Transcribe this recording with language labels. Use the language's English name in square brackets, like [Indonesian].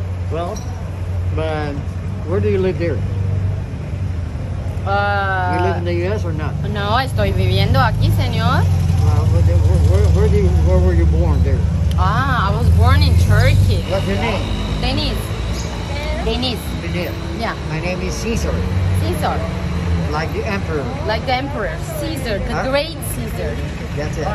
[English] Well, but where do you live here? You live in the US or not? [Spanish] No, estoy viviendo aquí, señor. [English] Where were you born there? I was born in Turkey. What's your name? Denis. Yeah. My name is Caesar. Caesar. Like the emperor. Like the emperor. Caesar, the great Caesar. That's it.